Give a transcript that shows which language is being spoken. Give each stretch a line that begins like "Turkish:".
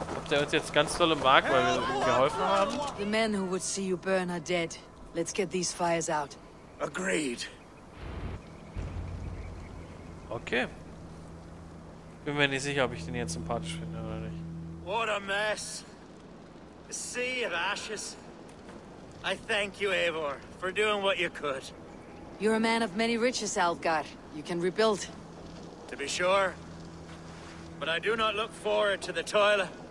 German: der uns jetzt ganz dolle mag, weil wir ihm geholfen haben.
English: The men who would see you burn are dead. Let's get these fires out. Agreed. Okay.
German: Bin mir nicht sicher, ob ich den jetzt sympathisch finde oder nicht.
English: What a mess. A sea of ashes. I thank you, Eivor, for doing what you could. You're a man of many riches, Alvgar. You can rebuild. To be sure. But I do not look forward to the toilet.